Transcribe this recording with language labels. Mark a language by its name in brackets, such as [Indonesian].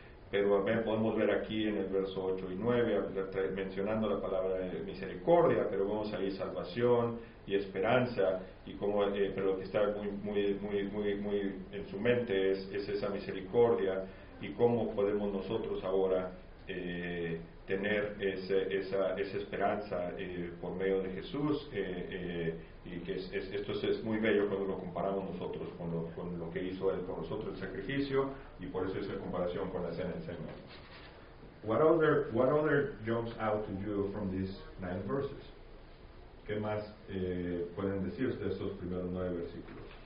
[Spanish] Pero podemos ver aquí en el verso 8 y 9, mencionando la palabra de misericordia, pero vemos ahí salvación y esperanza, y como, pero lo que está muy, muy, muy, muy, muy en su mente es esa misericordia, y cómo podemos nosotros ahora tener esa esperanza por medio de Jesús, y que esto es muy bello cuando lo comparamos nosotros con lo que hizo él con nosotros, el sacrificio, y por eso es la comparación con la cena del Señor. [English] What other jumps out to you from these 9 verses? [Spanish] ¿Qué más pueden decir de estos primeros 9 versículos?